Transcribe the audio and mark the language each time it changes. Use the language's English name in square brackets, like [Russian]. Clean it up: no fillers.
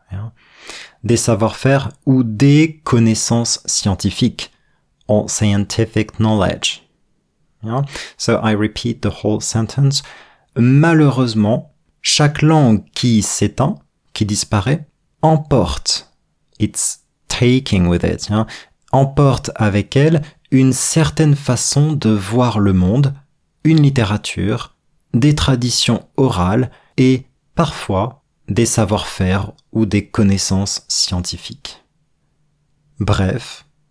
[English] Yeah. [French] Des savoir-faire ou des connaissances scientifiques, [English] or scientific knowledge. Yeah. So I repeat the whole sentence. [French] Malheureusement, chaque langue qui s'éteint, qui disparaît, emporte. [English] It's taking with it, yeah? [French] Emporte avec elle une certaine façon de voir le monde, une littérature, des traditions orales et, parfois, des savoir-faire ou des connaissances scientifiques. Bref,